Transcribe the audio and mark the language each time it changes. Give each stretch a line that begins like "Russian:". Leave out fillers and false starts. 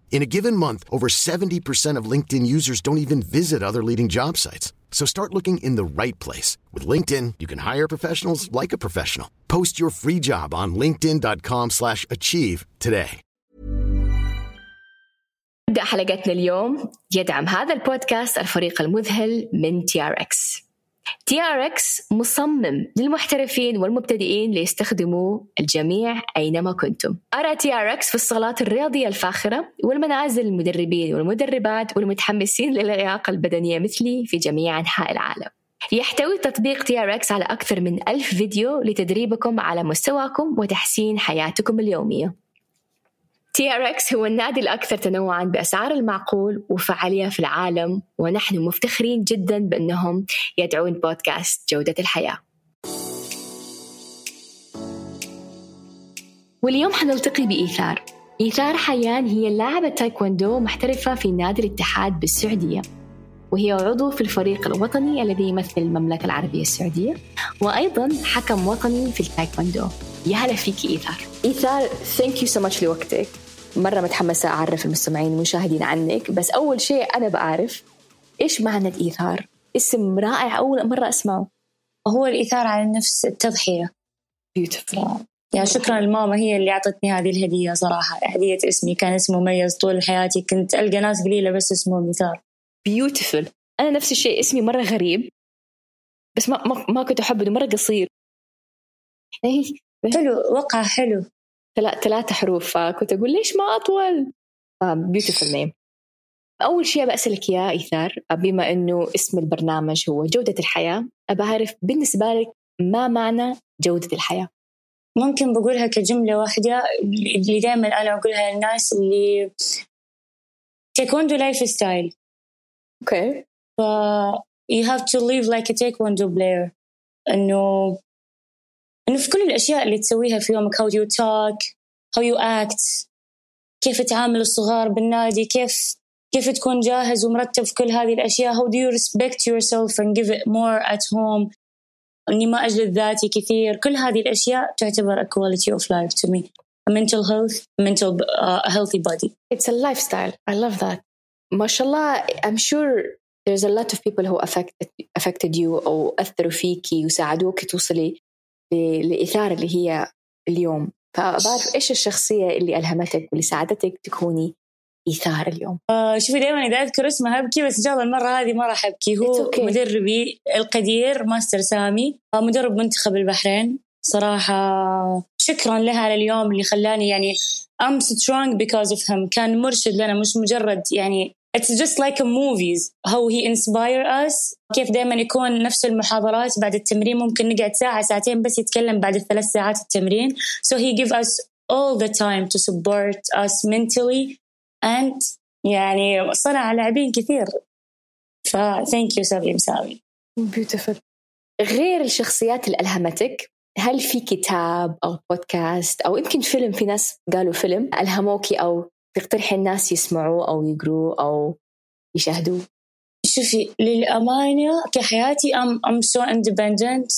English: In a given month, over 70% of LinkedIn users don't even visit other leading job sites. So start looking in the right place. With LinkedIn, you can hire professionals like a professional. Post your free job on linkedin.com/achieve today.
Arabic: نبدأ حلقتنا اليوم. يدعم هذا البودكاست الفريق المذهل من TRX. TRX مصمم للمحترفين والمبتدئين ليستخدموا الجميع أينما كنتم. أرى TRX في الصالات الرياضية الفاخرة والمنازل المدربين والمدربات والمتحمسين للياقة البدنية مثلي في جميع أنحاء العالم. يحتوي تطبيق TRX على أكثر من 1000 فيديو لتدريبكم على مستواكم وتحسين حياتكم اليومية. TRX هو النادي الأكثر تنوعاً بأسعار المعقول وفعالية في العالم، ونحن مفتخرين جداً بأنهم يدعون بودكاست جودة الحياة. واليوم حنلتقي بإيثار. إيثار حيان هي اللاعبة تايكواندو محترفة في نادي الاتحاد بالسعودية، وهي عضو في الفريق الوطني الذي يمثل المملكة العربية السعودية، وأيضاً حكم وطني في التايكواندو. يا هلا فيك إيثار. إيثار،
English: thank you so much
Arabic: لوقتك. مرة متحمسة أعرف المستمعين والمشاهدين عنك، بس أول شيء أنا بعرف إيش معنى إيثار؟ اسم رائع، أول مرة أسمعه. هو الإيثار على النفس التضحية.
English: Beautiful.
Arabic: يا شكراً الماما، هي اللي أعطتني هذه الهدية صراحة. هدية اسمي، كان اسمه مميز طول حياتي، كنت ألقى ناس قليلة بس اسمه إيثار.
English: Beautiful.
Arabic: أنا نفس الشيء، اسمي مرة غريب بس ما كنت أحبه، مرة قصير. حلو، وقع حلو، ثلاثة حروف، فكنت أقول ليش ما أطول.
English: Beautiful name.
Arabic: أول شيء بأسألك يا إيثار، بما أنه اسم البرنامج هو جودة الحياة، أبعرف بالنسبة لك ما معنى جودة الحياة؟ ممكن بقولها كجملة واحدة اللي دائما أنا أقولها للناس، اللي تايكوندو لايف ستايل.
English: Okay. ف you have to live like a taekwondo player.
Arabic: إنه في كل الأشياء اللي تسويها في يومك،
English: how you talk, how you act،
Arabic: كيف تعامل الصغار بالنادي، كيف تكون جاهز ومرتب في كل هذه الأشياء،
English: how do you respect yourself and give it more at home،
Arabic: إني ما أجلد ذاتي كثير، كل هذه الأشياء تعتبر
English: a quality of life to me. A mental health, a healthy body. It's a lifestyle. I love that.
Arabic: ما شاء الله.
English: I'm sure there's a lot of people who affected you
Arabic: أو أثروا فيكي وساعدوك توصلي لإثارة اللي هي اليوم. فبعرف إيش الشخصية اللي ألهمتك واللي ساعدتك تكوني إثارة اليوم؟ شوفي، دائما إذا أذكر اسمها أبكي، بس إن شاء الله المرة هذه ما راح أبكي. هو okay. مدربي القدير ماستر سامي، مدرب منتخب البحرين. صراحة شكرا لها على اليوم اللي خلاني يعني
English: I'm strong because of him.
Arabic: كان مرشد لنا، مش مجرد يعني
English: it's just like a movies how he inspire us.
Arabic: كيف دائما يكون نفس المحاضرات بعد التمرين، ممكن نقعد ساعة ساعتين بس يتكلم بعد الثلاث ساعات التمرين.
English: So he give us all the time to support us mentally and
Arabic: يعني صنع لاعبين كثير.
English: Thank you Sami. Beautiful.
Arabic: غير الشخصيات اللي ألهمتك، هل في كتاب أو بودكاست أو يمكن فيلم، في ناس قالوا فيلم ألهموكي أو تقترح الناس يسمعوه أو يقروه أو يشاهدوه؟ شوفي، للأمانة كحياتي
English: I'm so independent.